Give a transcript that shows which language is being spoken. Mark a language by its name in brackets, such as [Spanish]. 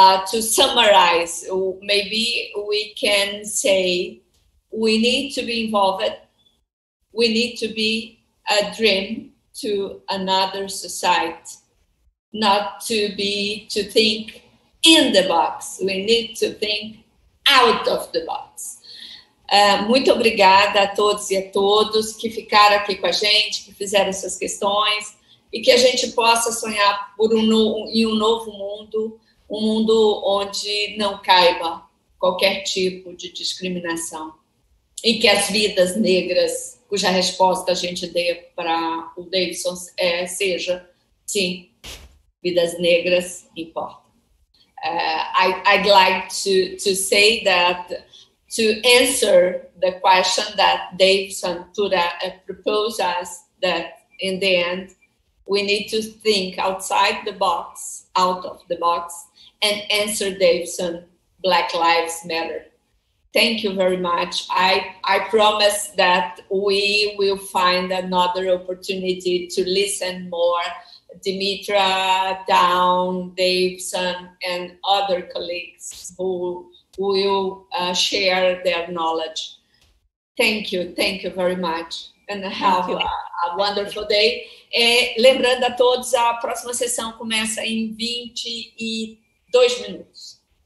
[English] To summarize, maybe we can say we need to be involved. We need to be a dream to another society, not to think in the box. We need to think out of the box. [Portuguese] Muito obrigada a todos e a todos que ficaram aqui com a gente, que fizeram suas questões, e que a gente possa sonhar por um novo mundo, um mundo onde não caiba qualquer tipo de discriminação, e que as vidas negras, cuja resposta a gente dê para o Davidson, seja, sim, vidas negras importam. [English] I'd like to say that, to answer the question that Davidson proposed us, that in the end, we need to think outside the box, out of the box, and answer Davidson, Black Lives Matter. Thank you very much. I promise that we will find another opportunity to listen more. Dimitra, Dawn, Davidson, and other colleagues who will share their knowledge. Thank you. Thank you very much. And have a wonderful day. [Portuguese] E, lembrando a todos, a próxima sessão começa em 22 minutos.